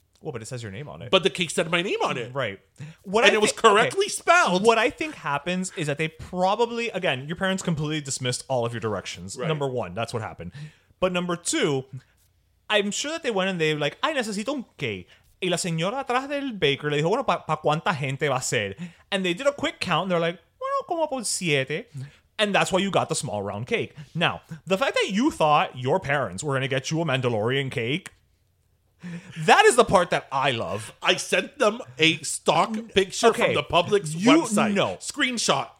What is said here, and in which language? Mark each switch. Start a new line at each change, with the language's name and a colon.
English: Well, but it says your name on it. But the cake said my name on it. Right. It was correctly spelled. What I think happens is that they probably, again, your parents completely dismissed all of your directions. Right. Number one, that's what happened. But number two, I'm sure that they went and they were like, I necesito un cake.
Spanish: Y la señora atrás del baker le dijo, bueno, ¿pa cuánta gente va a ser?
English: And they did a quick count, and they're like, bueno, como por siete. And that's why you got the small round cake. Now, the fact that you thought your parents were going to get you a Mandalorian cake, that is the part that I love. I sent them a stock picture from the Publix website. No. Screenshot.